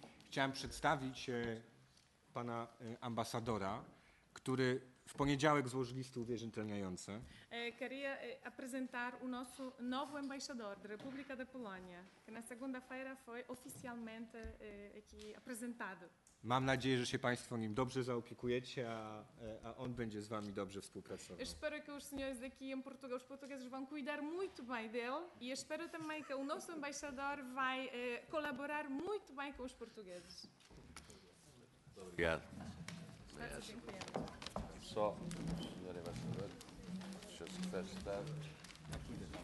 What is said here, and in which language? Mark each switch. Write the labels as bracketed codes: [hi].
[pl] Chciałem przedstawić pana ambasadora, który w poniedziałek złoży listy uwierzeń tajemnicze. [pt] Queria apresentar o nosso novo embaixador da República da Polônia, que na segunda-feira foi oficialmente aqui apresentado. [pl] Mam nadzieję, że się państwo nim dobrze zaopiekujecie, a on będzie z wami dobrze współpracował. [pt] Espero que os senhores aqui em Portugal, os portugueses vão cuidar muito bem dele e espero também que o nosso embaixador vai colaborar muito bem com os portugueses. Obrigado. Só o senhor embaixador, se o senhor quiser estar aqui.